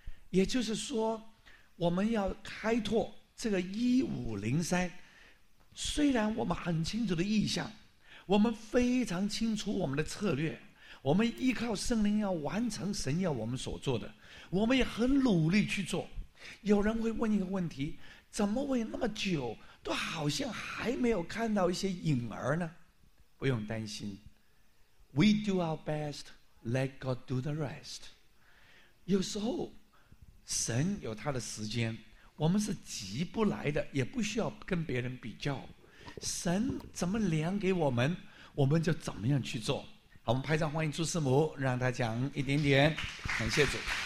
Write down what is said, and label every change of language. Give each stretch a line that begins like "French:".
Chinese: 也就是说，我们要开拓这个1503，虽然我们很清楚的意向，我们非常清楚我们的策略，我们依靠圣灵要完成神要我们所做的，我们也很努力去做。有人会问一个问题，怎么会那么久都好像还没有看到一些影儿呢？不用担心，
English: We do our best, let God do the rest。
Chinese: 有时候神有他的时间，我们是急不来的，也不需要跟别人比较，神怎么量给我们，我们就怎么样去做。好，我们拍掌欢迎朱师母，让他讲一点点，感谢主。